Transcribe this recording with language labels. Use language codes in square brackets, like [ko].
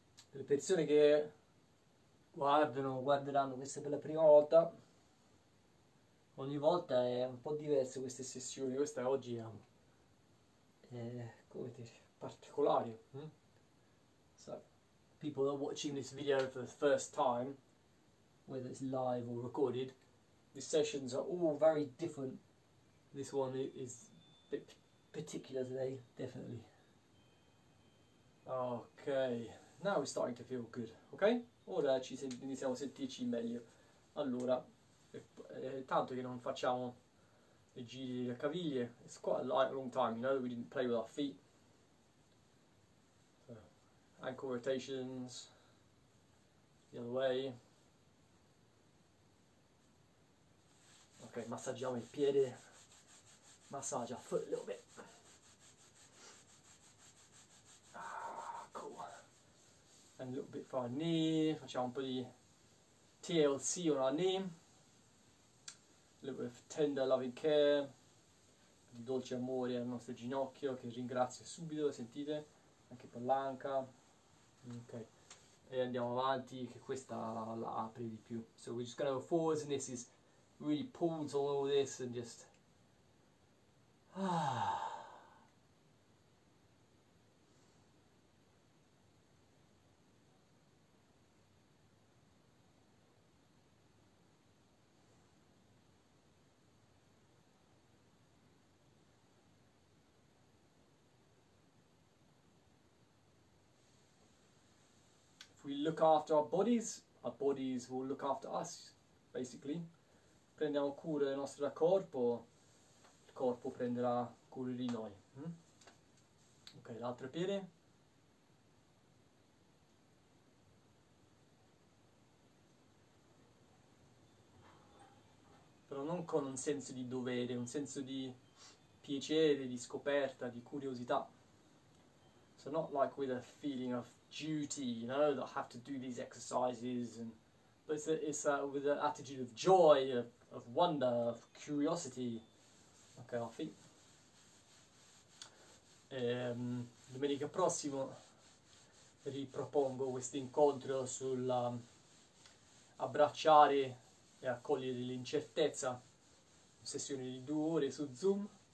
[it] Le persone che guarderanno questa per la prima volta, ogni volta è un po' diverso queste sessioni, questa oggi è un come dire, particolare. [en] So, people are watching this video for the first time, whether it's live or recorded. The sessions are all very different. This one is a bit particular today, definitely. Ok, now we're starting to feel good, ok? [it] Ora ci iniziamo a sentirci meglio. Allora, tanto che non facciamo i giri della caviglia. [en] It's quite a long time, you know, that we didn't play with our feet. Ankle rotations the other way. [it] Ok, massaggiamo il piede. Massaggia [en] foot a little bit. And a little bit for our knee. [it] Facciamo un po' di [en] TLC on our knee. A little bit of tender loving care, [it] di dolce amore al nostro ginocchio, che ringrazio subito, sentite? Anche per l'anca. Ok, e andiamo avanti, che questa la apre di più. [en] So we're just gonna go forwards, and this is really pulls all over this, and just we look after our bodies will look after us, basically. [it] Prendiamo cura del nostro corpo, il corpo prenderà cura di noi. Ok, l'altro piede. Però non con un senso di dovere, un senso di piacere, di scoperta, di curiosità. [en] So not like with a feeling of duty, you know, that I have to do these exercises, and but it's with an attitude of joy, of wonder, of curiosity. Ok, our feet. [it] Domenica prossima ripropongo questo incontro sulla abbracciare e accogliere l'incertezza. Sessione di 2 ore su Zoom.